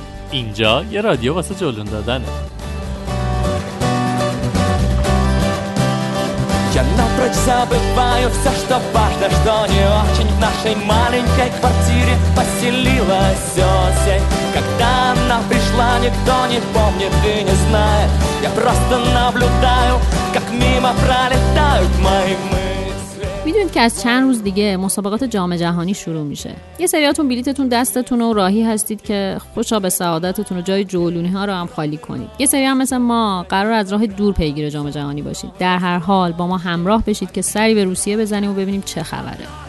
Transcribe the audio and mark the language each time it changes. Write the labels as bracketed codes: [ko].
[fa] اینجا یه رادیو واسه جلون دادنه. [ru] Я напрочь забываю все, что важно, что не очень. В нашей маленькой квартире поселилась осень. Когда она пришла, никто не помнит и не знает. Я просто наблюдаю, как мимо пролетают мои мысли. [fa] میدونید که از چند روز دیگه مسابقات جام جهانی شروع میشه. یه سریاتون بلیتتون دستتون و راهی هستید که خوشا به سعادتتون و جای جولونی ها رو هم خالی کنید. یه سری هم مثل ما قرار از راه دور پیگیر جام جهانی باشید. در هر حال با ما همراه بشید که سری به روسیه بزنیم و ببینیم چه خبره.